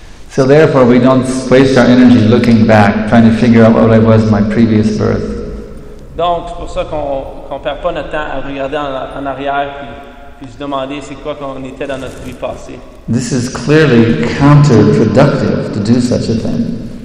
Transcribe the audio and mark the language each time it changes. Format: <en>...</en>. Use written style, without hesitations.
<en>So therefore, we don't waste our energy looking back, trying to figure out what I was my previous birth.</en> <fr>Donc, c'est pour ça qu'on ne perd pas notre temps à regarder en arrière puis se demander c'est quoi qu'on était dans notre vie passée.</fr> <en>This is clearly counterproductive to do such a thing.</en>